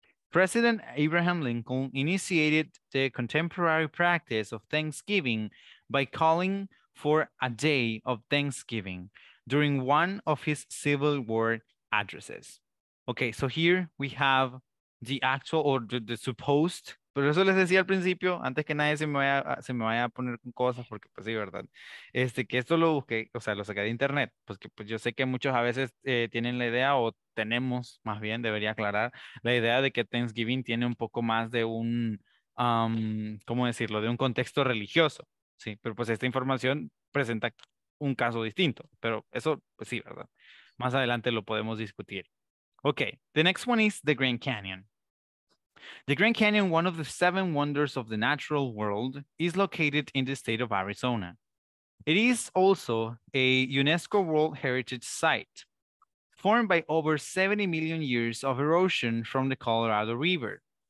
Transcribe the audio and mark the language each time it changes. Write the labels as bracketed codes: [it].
[en] President Abraham Lincoln initiated the contemporary practice of Thanksgiving by calling for a day of Thanksgiving during one of his Civil War addresses. Okay, so here we have the actual or the supposed. [es] Pero eso les decía al principio, antes que nadie se me vaya a poner con cosas, porque pues sí, ¿verdad? Que esto lo busqué, o sea, lo saqué de internet, pues yo sé que muchos a veces tienen la idea, o tenemos, más bien, debería aclarar, la idea de que Thanksgiving tiene un poco más de un, ¿cómo decirlo?, de un contexto religioso, ¿sí? Pero pues esta información presenta un caso distinto, pero eso, pues sí, ¿verdad? Más adelante lo podemos discutir. [en] Okay, the next one is the Grand Canyon. The Grand Canyon, one of the seven wonders of the natural world, is located in the state of Arizona. It is also a UNESCO World Heritage Site, formed by over 70 million years of erosion from the Colorado River.